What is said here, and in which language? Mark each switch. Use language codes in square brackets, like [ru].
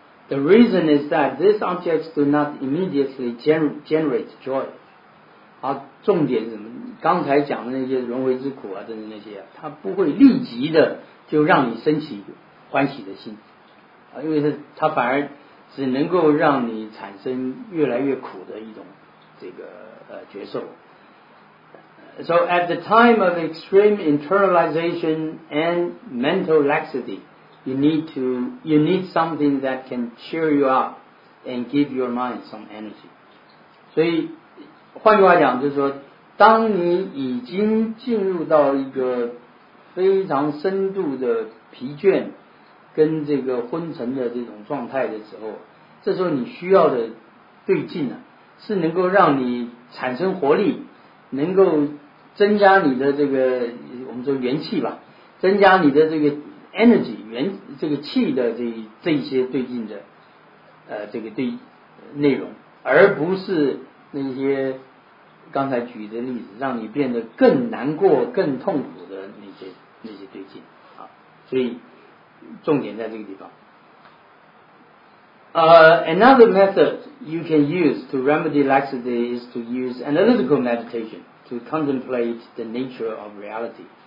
[en] The reason is that these objects do not immediately generate joy。 [zh] 啊，重点是什么？刚才讲的那些轮回之苦啊等等那些啊，它不会立即的就让你升起欢喜的心啊，因为它反而只能够让你产生越来越苦的一种这个觉受。 [en] So at the time of extreme internalization and mental laxity, you need something that can cheer you up and give your mind some energy. [zh] 所以换句话讲就是说，当你已经进入到一个非常深度的疲倦跟这个昏沉的这种状态的时候，这时候你需要的对劲呢、啊，是能够让你产生活力，能够增加你的这个我们说元气吧，增加你的这个 energy 元这个气的这一些对劲的这个对内容，而不是那些刚才举的例子让你变得更难过更痛苦的那些对劲啊，所以重点在这个地方。 [en] Another method you can use to remedy laxity is to use analytical meditation to contemplate the nature of reality.